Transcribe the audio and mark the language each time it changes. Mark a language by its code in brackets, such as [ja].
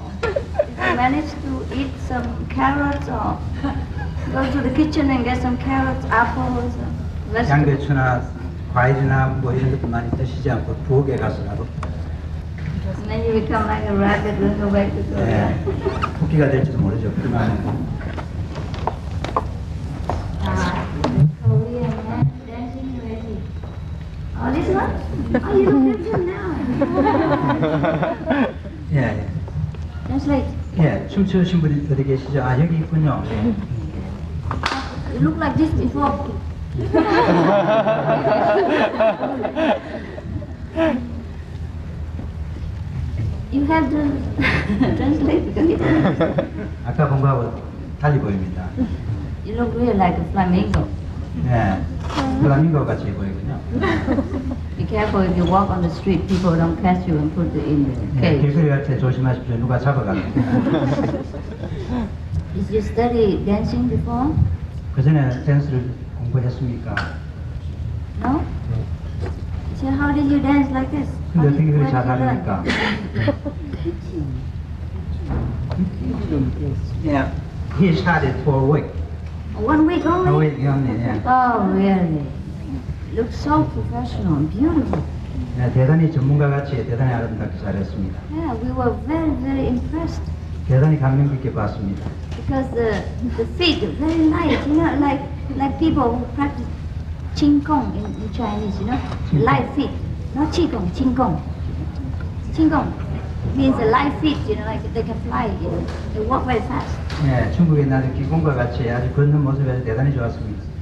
[en] Oh, did you manage to eat some carrots or go to the kitchen and get some carrots, apples, vegetables? [ko] 양배추나 과일이나 뭐 이런 것도 많이 드시지 않고 부엌에 가서라도. [en] And then you become like a rabbit little way to go. Yeah. [ko] 될지도 모르죠. [en] Oh, this one? Oh, you don't get to now. Yeah, yeah. That's late. [ko] Yeah, 춤추신 분이 어디 계시죠? 아, 여기 있군요. [en] You look like this before. You have to translate. [ko] 아까 공부하고 달리 보입니다. [en] You look really like a flamingo. [ko] 네, 플라밍고 같이 보이군요. [en] Be careful if you walk on the street. People don't catch you and put you in the cage. [ko] 길거리 갈 때 조심하십시오. 누가 잡아가면. [en] Did you study dancing before? [ko] 그 전에 댄스를 공부했습니까? [en] No? So how did you dance like this? [ko] 근데 어떻게 그렇게 잘 하십니까? [en] Yeah. He started for a week. One week only? One week only, yeah. Oh, really? Looks so professional and beautiful. [ko] 네, 대단히 전문가같이 대단히 아름답게 잘했습니다. [en] Yeah, we were very, very impressed. [ko] 대단히 감명 깊게 봤습니다. [en] Because the feet are very light, you know, like people who practice qing gong in Chinese, you know? Light feet, not qi gong, qing gong. Qing gong means a light feet, you know, like they can fly, you know? They walk very fast. [ko] 네, 중국의 나도 기공과 같이 아주 걷는 모습이 아주 대단히 좋았습니다.